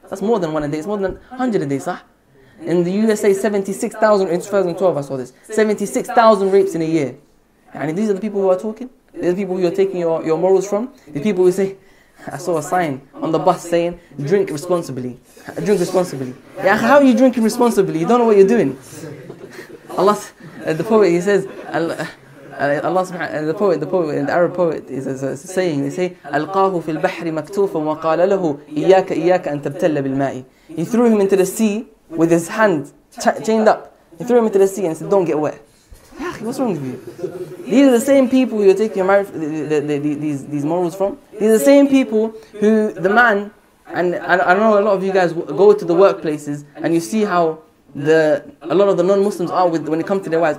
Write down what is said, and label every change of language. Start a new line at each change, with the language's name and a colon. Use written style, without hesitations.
English: That's more than one a day. It's more than 100 a day, sah? In the USA, 76,000, in 2012 I saw this, 76,000 rapes in a year. And these are the people who are talking? These are the people who you're taking your morals from? The people who say, I saw a sign on the bus saying, drink responsibly. Drink responsibly. Yeah, how are you drinking responsibly? You don't know what you're doing.
Arabic: The poet, the Arab poet, is saying, they say, أَلْقَاهُ فِي الْبَحْرِ مَكْتُوفًا وَقَالَ لَهُ إِيَّاكَ إِيَّاكَ أَن تَبْتَلَّ بِالْمَاءِ.
English: He threw him into the sea with his hand chained up. He threw him into the sea and said, don't get wet. What's wrong with you? These are the same people you're taking your marriage, these morals from. These are the same people who the man, and I know a lot of you guys go to the workplaces and you see how a lot of the non-Muslims are when it comes to their wives.